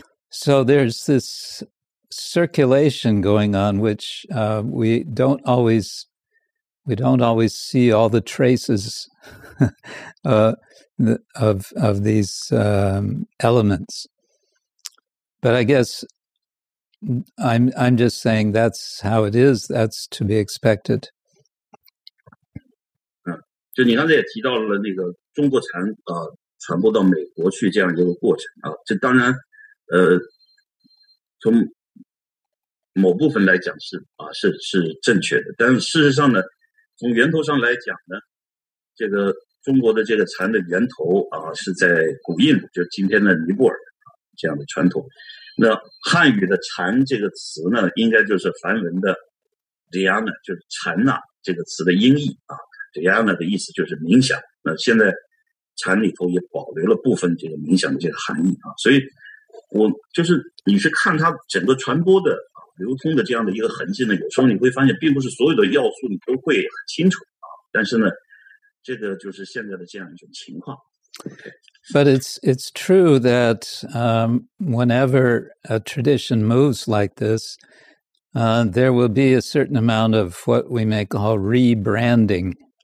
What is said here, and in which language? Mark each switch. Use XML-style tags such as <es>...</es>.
<en>So there's this circulation going on, which we don't always see all the traces of these elements. But I guess I'm just saying that's how it is. That's to be expected.</en> <zh>就你刚才也提到了那个中国禅传播到美国去这样一个过程啊，这当然从某部分来讲是正确的，但事实上呢，从源头上来讲呢，这个中国的这个禅的源头是在古印度，就今天的尼泊尔这样的传统。那汉语的禅这个词呢，应该就是梵文的 dhyana， 就是禅呐、这个词的音译啊。 Dhyana 的意思就是冥想，那现在禅里头也保留了部分这个冥想的这个含义啊，所以我就是你是看它整个传播的流通的这样的一个痕迹呢，有时候你会发现并不是所有的要素你都会很清楚啊，但是呢这个就是现在的这样一种情况。</zh> <en>But it's true that whenever a tradition moves like this, there will be a certain amount of what we may call rebranding.</en>